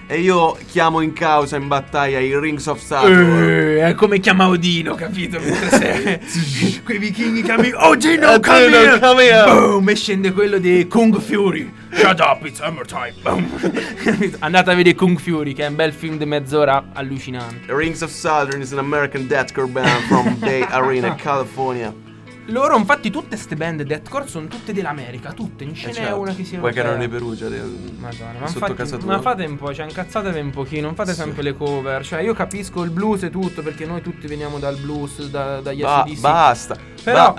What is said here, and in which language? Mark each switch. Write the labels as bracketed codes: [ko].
[it] E io chiamo in causa, in battaglia, i Rings of Saturn. È come chiama Odino, capito? Quei vichinghi chiami Odino, [en] come here! Come here! Boom! [it] E scende quello di Kung Fury. [en] Shut up, it's hammer time. Boom. [it] Andate a vedere Kung Fury, che è un bel film di mezz'ora allucinante. [en] Rings of Saturn is an American deathcore band from Bay Arena, California. [it] Loro, infatti, tutte ste band deathcore sono tutte dell'America, tutte. Non ce n'è certo. Una che sia. Vuoi che erano di Perugia? Madonna, ma sotto infatti, casa tua. Ma fate un po', cioè, incazzatevi un pochino. Non fate sempre le cover. Cioè, io capisco il blues e tutto, perché noi tutti veniamo dal blues, dagli acidisti. Basta. Però